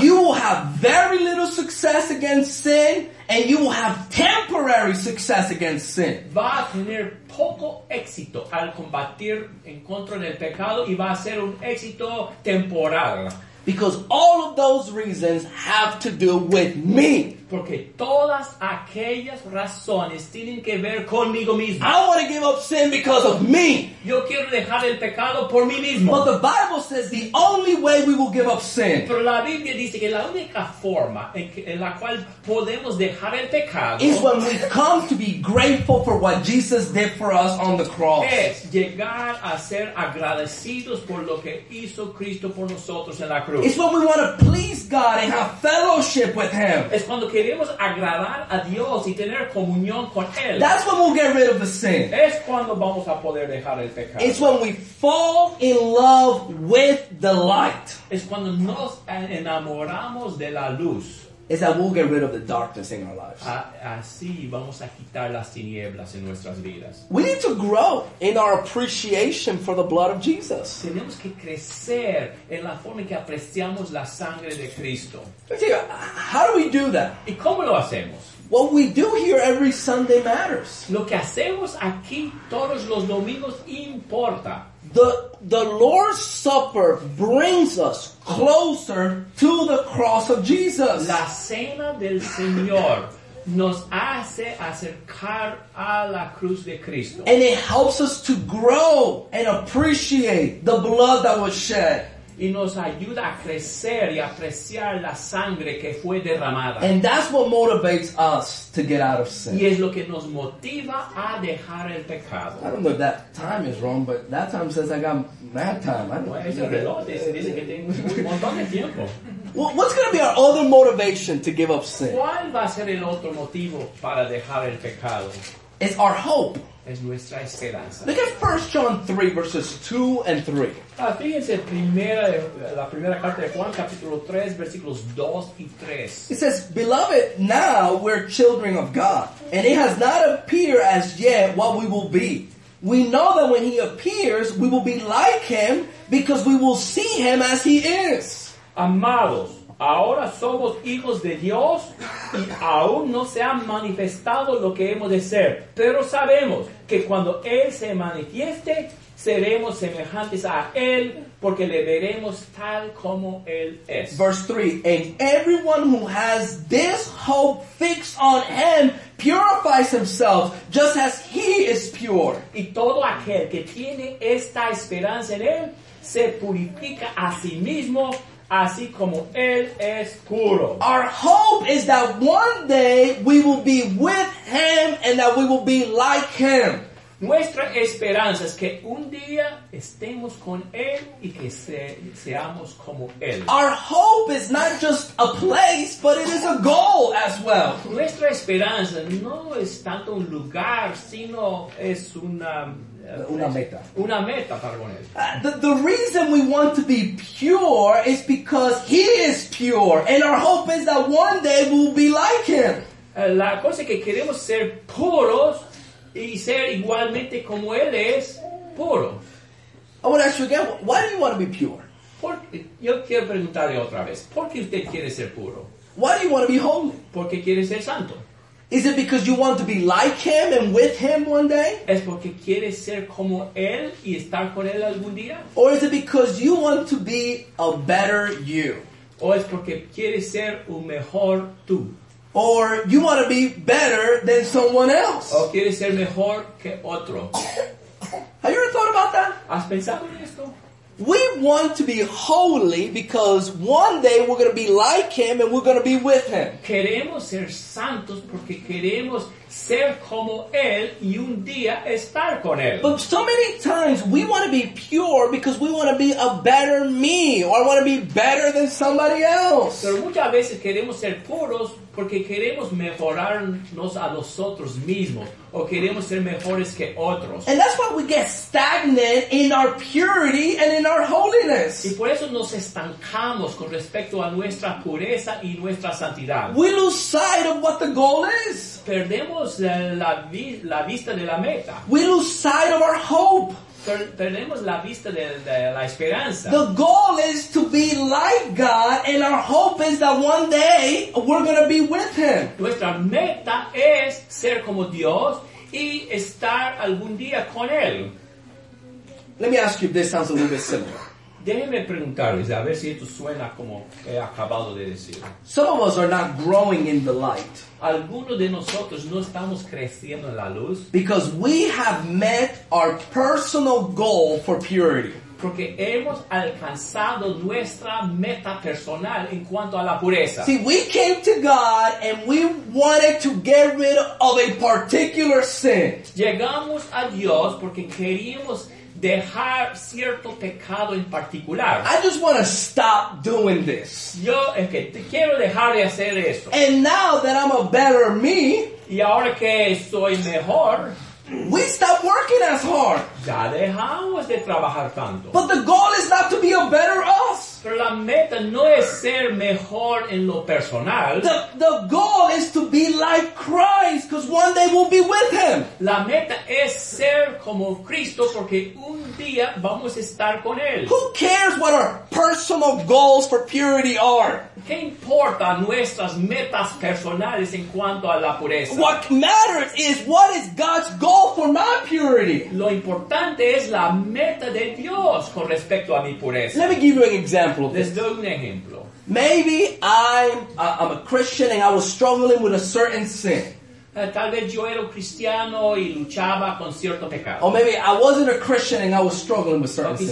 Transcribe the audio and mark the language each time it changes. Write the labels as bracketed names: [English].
[English] you will have very little success against sin, and you will have temporary success against sin. [Spanish] Va a tener poco éxito al combatir en contra del pecado y va a ser un éxito temporal. [English] Because all of those reasons have to do with me. [Spanish] Porque todas aquellas razones tienen que ver conmigo mismo. [English] I want to give up sin because of me. [Spanish] Yo quiero dejar el pecado por mí mismo. [English] But the Bible says the only way we will give up sin. [Spanish] Pero la Biblia dice que la única forma en la cual podemos dejar el pecado [English] is when we come to be grateful for what Jesus did for us on the cross. [Spanish] Es llegar a ser agradecidos por lo que hizo Cristo por nosotros en la cruz. [English] It's when we want to please God and have fellowship with Him. [Spanish] Es cuando queremos agradar a Dios y tener comunión con Él. [English] That's when we'll get rid of the sin. [Spanish] Es cuando vamos a poder dejar el pecado. [English] It's when we fall in love with the light. [Spanish] Es cuando nos enamoramos de la luz. [English] Is that we'll get rid of the darkness in our lives. [Spanish] Así vamos a quitar las tinieblas en nuestras vidas. [English] We need to grow in our appreciation for the blood of Jesus. [Spanish] Tenemos que crecer en la forma en que apreciamos la sangre de Cristo. [English] How do we do that? [Spanish] ¿Y cómo lo hacemos? [English] What we do here every Sunday matters. [Spanish] Lo que hacemos aquí todos los domingos importa. [English] The Lord's Supper brings us closer to the cross of Jesus. [Spanish] La cena del Señor nos hace acercar a la cruz de Cristo. [English] And it helps us to grow and appreciate the blood that was shed. [Spanish] Y nos ayuda a crecer y apreciar la sangre que fue derramada. [English] And that's what motivates us to get out of sin. [Spanish] Y es lo que nos motiva a dejar el pecado. [English] I don't know if that time is wrong, but that time says I got mad time. [Spanish] Bueno, es el reloj, dice que tengo un montón de tiempo. [English] What's going to be our other motivation to give up sin? [Spanish] ¿Cuál va a ser el otro motivo para dejar el pecado? [English] It's our hope. [Spanish] Es nuestra esperanza. [English] Look at 1 John 3, verses 2 and 3. [Spanish] Fíjense la primera carta de Juan, capítulo 3, versículos 2 y 3. [English] It says, "Beloved, now we're children of God, and it has not appeared as yet what we will be. We know that when He appears, we will be like Him, because we will see Him as He is." [Spanish] Amados, ahora somos hijos de Dios y aún no se ha manifestado lo que hemos de ser. Pero sabemos que cuando Él se manifieste, seremos semejantes a Él porque le veremos tal como Él es. [English] Verse 3, "And everyone who has this hope fixed on Him purifies himself just as He is pure." [Spanish] Y todo aquel que tiene esta esperanza en Él se purifica a sí mismo así como Él es puro. [English] Our hope is that one day we will be with Him and that we will be like Him. [Spanish] Nuestra esperanza es que un día estemos con Él y que seamos como Él. [English] Our hope is not just a place, but it is a goal as well. [Spanish] Nuestra esperanza no es tanto un lugar, sino es una meta. Una meta, perdón. [English] The reason we want to be pure is because He is pure, and our hope is that one day we'll be like Him. [Spanish] La cosa es que queremos ser puros y ser igualmente como Él es puro. [English] I want to ask you again, why do you want to be pure? [Spanish] Yo quiero preguntarle otra vez, ¿por qué usted quiere ser puro? [English] Why do you want to be holy? [Spanish] ¿Por qué quiere ser santo? [English] Is it because you want to be like Him and with Him one day? [Spanish] ¿Es porque quiere ser como Él y estar con Él algún día? [English] Or is it because you want to be a better you? [Spanish] ¿O es porque quiere ser un mejor tú? [English] Or you want to be better than someone else. [Spanish] ¿O quieres ser mejor que otro? [English] Have you ever thought about that? [Spanish] ¿Has pensado en esto? [English] We want to be holy because one day we're going to be like Him and we're going to be with Him. [Spanish] Queremos ser santos porque queremos ser como Él y un día estar con Él. [English] But so many times we want to be pure because we want to be a better me, or I want to be better than somebody else. [Spanish] Pero muchas veces queremos ser puros porque queremos mejorarnos a nosotros mismos, o queremos ser mejores que otros. [English] And that's why we get stagnant in our purity and in our holiness. [Spanish] Y por eso nos estancamos con respecto a nuestra pureza y nuestra santidad. [English] We lose sight of what the goal is. [Spanish] Perdemos la vista de la meta. [English] We lose sight of our hope. [Spanish] Perdemos la vista de la esperanza. [English] The goal is to be like God, and our hope is that one day we're going to be with Him. [Spanish] Nuestra meta es ser como Dios y estar algún día con Él. [English] Let me ask you if this sounds a little bit similar. [Spanish] Déjeme preguntarles, a ver si esto suena como he acabado de decir. [English] Some of us are not growing in the light. [Spanish] Algunos de nosotros no estamos creciendo en la luz. [English] Because we have met our personal goal for purity. [Spanish] Porque hemos alcanzado nuestra meta personal en cuanto a la pureza. [English] See, we came to God and we wanted to get rid of a particular sin. [Spanish] Llegamos a Dios porque queríamos dejar cierto pecado en particular. [English] I just want to stop doing this. [Spanish] Yo es que quiero dejar de hacer eso. [English] And now that I'm a better me, [Spanish] y ahora que soy mejor, [English] we stop working as hard. [Spanish] Ya dejamos de trabajar tanto. [English] But the goal is not to be a better us. [Spanish] Pero la meta no es ser mejor en lo personal. [English] The goal is to be like Christ, because one day we'll be with Him. [Spanish] La meta es ser como Cristo, porque un día vamos a estar con Él. [English] Who cares what our personal goals for purity are? [Spanish] ¿Qué importa nuestras metas personales en cuanto a la pureza? [English] What matters is what is God's goal for my purity. [Spanish] Lo importante es la meta de Dios con respecto a mi pureza. [English] Let me give you an example. [Spanish] Les doy un ejemplo. [English] Maybe I'm a Christian and I was struggling with a certain sin. [Spanish] Tal vez yo era cristiano y luchaba con cierto pecado. [English] Or maybe I wasn't a Christian and I was struggling with certain sins.